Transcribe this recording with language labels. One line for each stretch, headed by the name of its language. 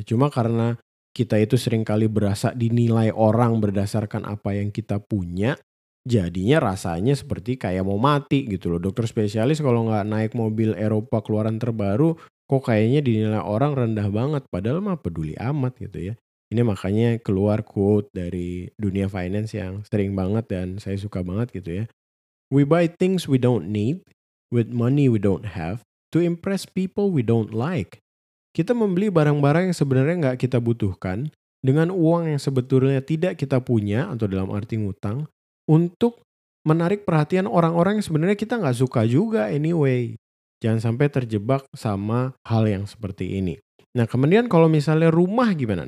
Indonesian: Cuma karena kita itu seringkali berasa dinilai orang berdasarkan apa yang kita punya, jadinya rasanya seperti kayak mau mati gitu loh. Dokter spesialis kalau nggak naik mobil Eropa keluaran terbaru, kok kayaknya dinilai orang rendah banget, padahal mah peduli amat gitu ya. Ini makanya keluar quote dari dunia finance yang sering banget dan saya suka banget gitu ya.
English: We buy things we don't need, with money we don't have, to impress people we don't like.
Indonesian: Kita membeli barang-barang yang sebenarnya nggak kita butuhkan, dengan uang yang sebetulnya tidak kita punya, atau dalam arti ngutang, untuk menarik perhatian orang-orang yang sebenarnya kita nggak suka juga anyway. Jangan sampai terjebak sama hal yang seperti ini. Nah kemudian kalau misalnya rumah gimana?